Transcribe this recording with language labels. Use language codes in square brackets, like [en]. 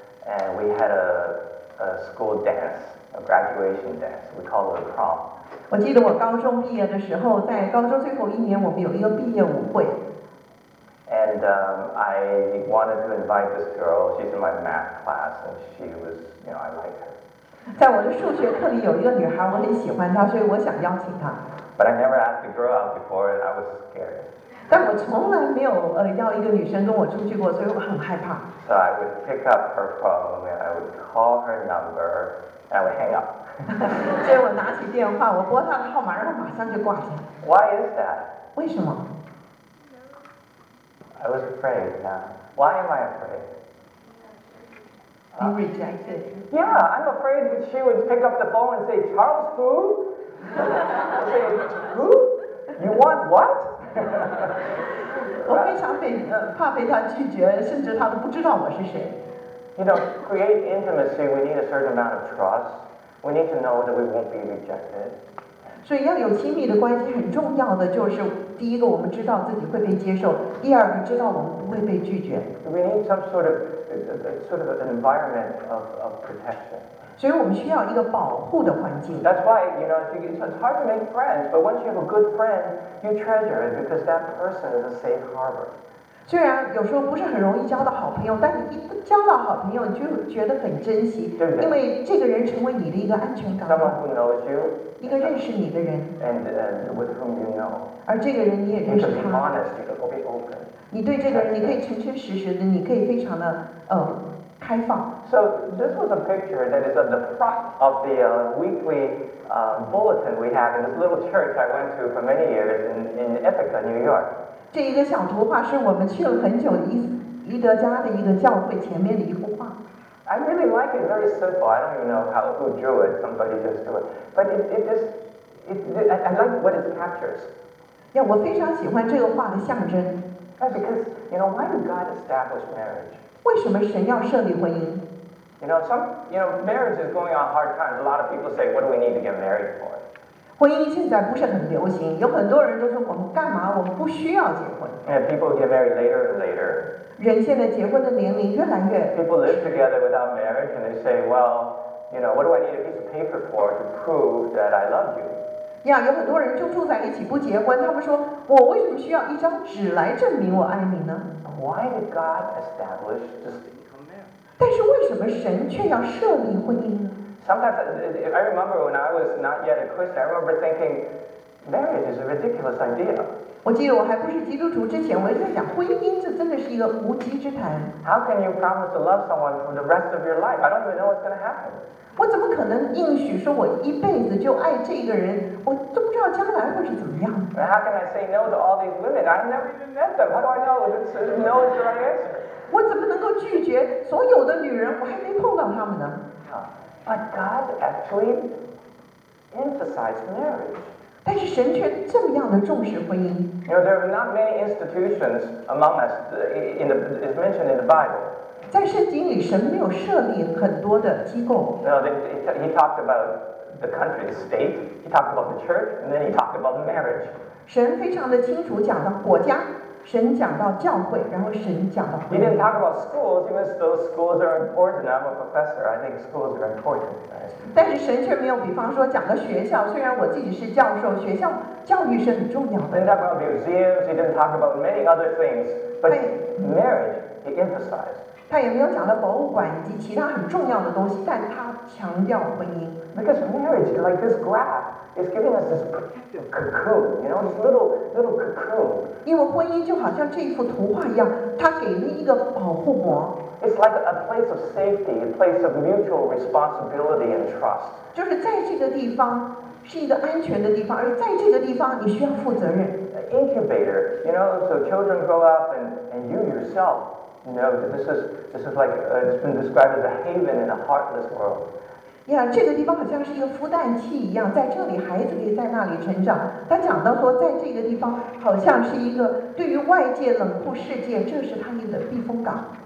[en] And we had a school dance, a graduation dance. We call it a prom. [zh] 我记得我高中毕业的时候，在高中最后一年，我们有一个毕业舞会。 [en] And I wanted to invite this girl. She's in my math class, and she was, you know, I like her. [zh] 在我的数学课里有一个女孩，我很喜欢她，所以我想邀请她。 [en] But I never asked a girl out before, and I was scared. [zh] 但我从来没有要一个女生跟我出去过，所以我很害怕。 [en] So I would pick up her phone and I would call her number and I would hang up. [zh] 所以我拿起电话，我拨她的号码，然后马上就挂掉。 [en] Why is that? [zh] 为什么 [en] ？I was afraid. Yeah. Why am I afraid? You rejected. Yeah, I'm afraid that she would pick up the phone and say, "Charles, who?" I say, "Who? You want what?" [zh] 我非常怕被他拒绝，甚至他都不知道我是谁。 [en] You know, create intimacy, we need a certain amount of trust. We need to know that we won't be rejected. [zh] 所以要有亲密的关系，很重要的就是第一个，我们知道自己会被接受；第二个，知道我们不会被拒绝。 [en] We need some sort of an environment of protection. [zh] 所以我们需要一个保护的环境。 [en] That's why, you know, it's hard to make friends, but once you have a good friend, you treasure it because that person is a safe harbor. [zh] 虽然有时候不是很容易交到好朋友，但你一交到好朋友，你就觉得很珍惜，对不对？因为这个人成为你的一个安全感。 [en] Someone who knows you， [zh] 一个认识你的人。 [en] And with whom you know， [zh] 而这个人你也认识他。 [en] You can be honest， you can be open。 [zh] 你对这个人，你可以诚诚实实的，你可以非常的开放。 [en] So this was a picture that is on the front of the weekly bulletin we have in this little church I went to for many years in Ithaca, New York。 [zh] 这一个小图画是我们去了很久伊德加的一个教会前面的一幅画。 [en] I really like it, very simple. I don't even know how who drew it. Somebody just drew it. But I like what it captures. [zh] Yeah, 我非常喜欢这个画的象征。 [en] Yeah, because you know why did God establish marriage? [zh] 为什么神要设立婚姻？ [en] You know, marriage is going on hard times. A lot of people say, what do we need to get married for? [zh] 婚姻现在不是很流行，有很多人都说我们干嘛？我们不需要结婚。 [en] Yeah, people get married later and later. [zh] 人现在结婚的年龄越来越。 [en] People live together without marriage, and they say, "Well, you know, what do I need a piece of paper for to prove that I love you?" [zh] Yeah, 有很多人就住在一起不结婚，他们说我为什么需要一张纸来证明我爱你呢 [en] ？Why did God establish this legal marriage? [zh] 但是为什么神却要设立婚姻呢？ [en] Sometimes I remember when I was not yet a Christian. I remember thinking marriage is a ridiculous idea. [zh] 我记得我还不是基督徒之前，我在想婚姻这真的是一个无稽之谈。 [en] How can you promise to love someone for the rest of your life? I don't even know what's going to happen. [zh] 我怎么可能应许说我一辈子就爱这个人？我都不知道将来会是怎么样。 [en] But how can I say no to all these women? I've never even met them. How do I know if no is the right answer? [zh] 我怎么能够拒绝所有的女人？我还没碰到她们呢。 [en] But God actually emphasized marriage. [zh] 但是神却这么样的重视婚姻。 [en] You know, there are not many institutions among us is mentioned in the Bible. [zh] 在圣经里，神没有设立很多的机构。 [en] No, he talked about the country, the state. He talked about the church, and then he talked about marriage. [zh] 神非常的清楚讲到国家。神讲到教会，然后神讲到婚姻。 [en] He didn't talk about schools, even though schools are important. I'm a professor. I think schools are important.、Right? [zh] 但是神却没有，比方说讲到学校。虽然我自己是教授，学校教育是很重要的。 [en] He didn't talk about museums. He didn't talk about many other things. But marriage, he emphasized. [zh] 他也没有讲到博物馆以及其他很重要的东西，但他强调婚姻。 [en] Because marriage, like this graph. It's giving us this cocoon, you know, this little cocoon. [zh] 因为婚姻就好像这幅图画一样，它给了一个保护膜。 [en] It's like a place of safety, a place of mutual responsibility and trust. [zh] 就是在这个地方是一个安全的地方，而在这个地方你需要负责任。 [en] An incubator, you know, so children grow up and you yourself know that this is like it's been described as a haven in a heartless world. [zh] 呀、yeah, ，这个地方好像是一个孵蛋器一样，在这里孩子可以在那里成长。他讲到说，在这个地方好像是一个对于外界冷酷世界，这是他们的避风港。